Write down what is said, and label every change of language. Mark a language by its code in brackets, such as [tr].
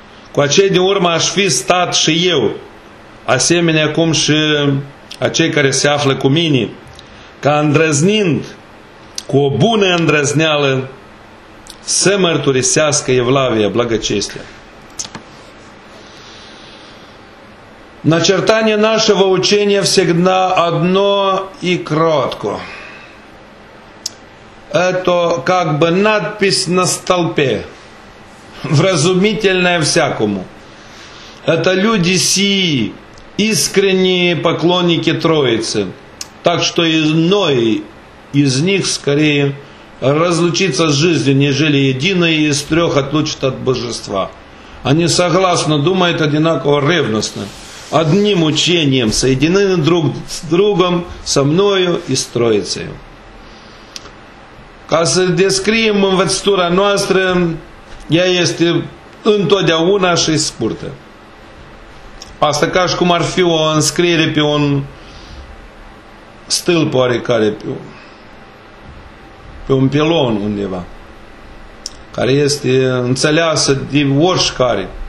[ro] Cu acei din urmă aș fi stat și eu, asemenea cum și acei care se află cu mine, ca îndrăznind cu o bună îndrăzneală să mărturisească Evlavia blagăcestea. [ru] Начертание нашего учения всегда одно и кротко. Это как бы надпись на столпе, вразумительная всякому. Это люди сии, искренние поклонники Троицы. Так что иной из них скорее разлучится с жизнью, нежели единый из трех отлучит от божества. Они согласно думают одинаково ревностно. Одним учением соединены друг с другом, со мною и с Троицею. [ro] Ca să descriem învățătura noastră, ea este întotdeauna și scurtă. Asta ca și cum ar fi o înscriere pe un stâlp oarecare, pe un pilon undeva, care este înțeleasă de oricare.